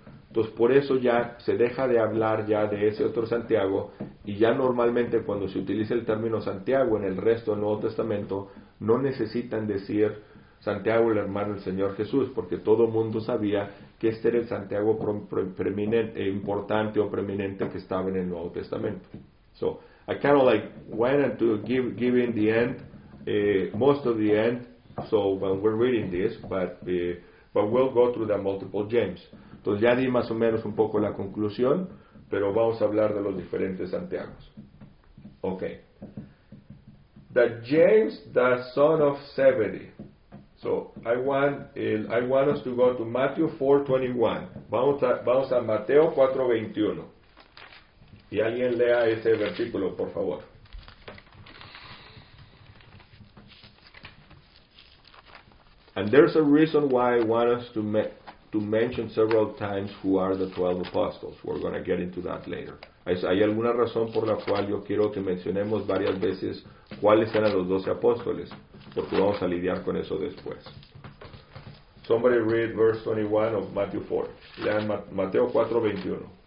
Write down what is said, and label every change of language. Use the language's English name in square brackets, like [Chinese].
[Spanish] Entonces por eso ya se deja de hablar ya de ese otro Santiago, y ya normalmente cuando se utiliza el término Santiago en el resto del Nuevo Testamento, no necesitan decir Santiago el hermano del Señor Jesús, porque todo mundo sabía que este era el Santiago preeminente que estaba en el Nuevo Testamento. [English] So, I kind of like went into giving the end, most of the end, so when we're reading this, but we'll go through the multiple James. [Spanish] Entonces ya di más o menos un poco la conclusión, pero vamos a hablar de los diferentes Santiagos. [English] Okay. The James, the son of Zebedee. So I want us to go to Matthew 4:21. [Spanish] Vamos a Mateo 4:21. Y alguien lea ese versículo, por favor. [English] And there's a reason why I want us to mention several times who are the 12 apostles. We're going to get into that later. [Spanish] ¿Hay alguna razón por la cual yo quiero que mencionemos varias veces cuáles eran los 12 apóstoles? Porque vamos a lidiar con eso después. [English] Somebody read verse 21 of Matthew 4. [Spanish] Lean Mateo 4:21.